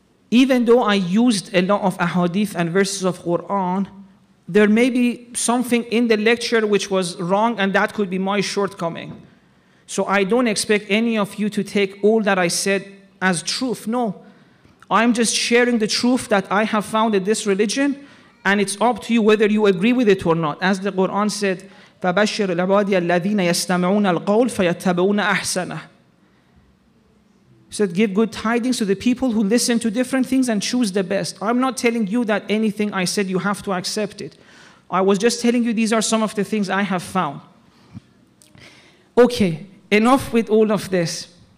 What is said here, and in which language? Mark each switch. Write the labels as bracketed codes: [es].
[en] Even though I used a lot of ahadith and verses of Quran, there may be something in the lecture which was wrong, and that could be my shortcoming. So I don't expect any of you to take all that I said as truth. No. I'm just sharing the truth that I have found in this religion, and it's up to you whether you agree with it or not. As the Quran said, [ar] فبشر العباد الذين يستمعون القول فيتبعون أحسنه. [en] Said, give good tidings to the people who listen to different things and choose the best. I'm not telling you that anything I said, you have to accept it. I was just telling you these are some of the things I have found. Okay, enough with all of this.